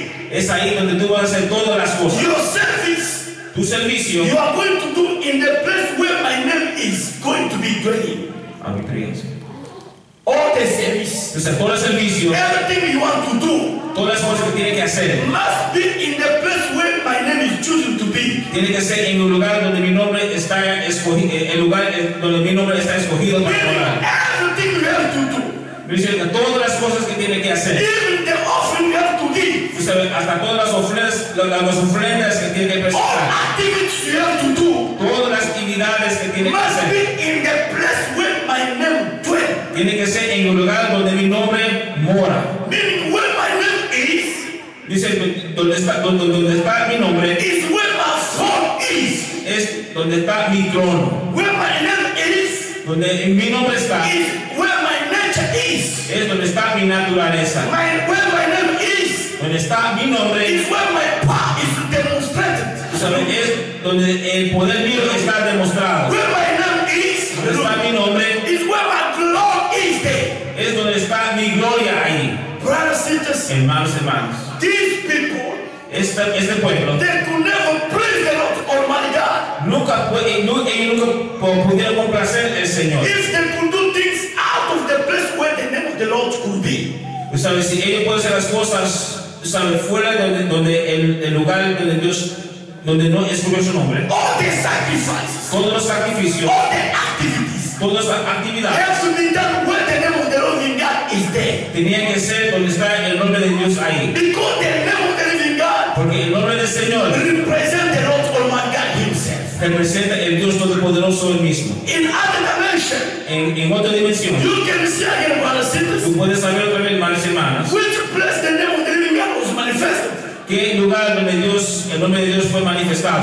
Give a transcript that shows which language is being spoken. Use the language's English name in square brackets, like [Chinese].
[Spanish] Es ahí donde tú vas a hacer todas las cosas. [English] Your service, [Spanish] tu servicio. [English] You are going to do in the place where my name is going to be dwelling. [Spanish] A mi presencia. [English] All the service. [Spanish] O sea, todo el servicio. [English] Everything you want to do. [Spanish] Todas las cosas que tiene que hacer. [English] Must be in the place where my name is chosen to be. [Spanish] Tiene que ser en un lugar donde mi nombre está escogido. El lugar donde mi nombre está escogido para morar. [English] Everything you have to do. [Spanish] Dice, todas las cosas que tiene que hacer. [English] Even the offering you have to give. [Spanish] Dice, hasta todas las ofrendas, las ofrendas que tiene que presentar. [English] All activities you have to do. [Spanish] Todas las actividades que tiene [English] must [Spanish] que hacer. [English] Be in the place where my name dwells. [Spanish] Tiene que ser en un lugar donde mi nombre mora. [English] Meaning where my name is. [Spanish] Dice, donde está mi nombre. [English] Is where my throne is. [Spanish] Es donde está mi trono. [English] Where my name is. [Spanish] Donde en mi nombre está. [English] Is where my [Spanish] es donde está mi naturaleza. [English] Where my name is. [Spanish] Donde está mi nombre. [English] Is where my power is demonstrated. [Spanish] O sea, es donde el poder mío está demostrado. [English] Where my name is. [Spanish] Donde está mi nombre. [English] Is where my glory is. [Spanish] Es donde está mi gloria ahí. [English] Brothers, sisters, [Spanish] hermanos, hermanos. [English] These people. [Spanish] Este pueblo. [English] They could never praise the Lord Almighty God. [Spanish] Nunca pudieron complacer el Señor. [English] If they could do things out of the place where the name of the Lord could be. [Spanish] ¿Sabes? Si ellos pueden hacer las cosas, ¿sabes? Fuera donde el lugar donde Dios, donde no escogió su nombre. [English] All the sacrifices. [Spanish] Todos los sacrificios. [English] All the activities. [Spanish] Todas las actividades. [English] Have to be done where the name of the Lord in God is there. [Spanish] Tenía que ser donde está el nombre de Dios ahí. [English] Because the name of the Lord in God. [Spanish] Porque el nombre del Señor. [English] Represent the Lord Almighty God Himself. [Spanish] Representa el Dios Todopoderoso el mismo. [English] In other dimension, [Spanish] en otra dimensión. [English] You can see again, brothers, sisters, [Spanish] tú puedes saber otra vez, manos y hermanas. [English] Which place the name of the living God was manifested? [Spanish] ¿Qué lugar donde Dios, el nombre de Dios fue manifestado?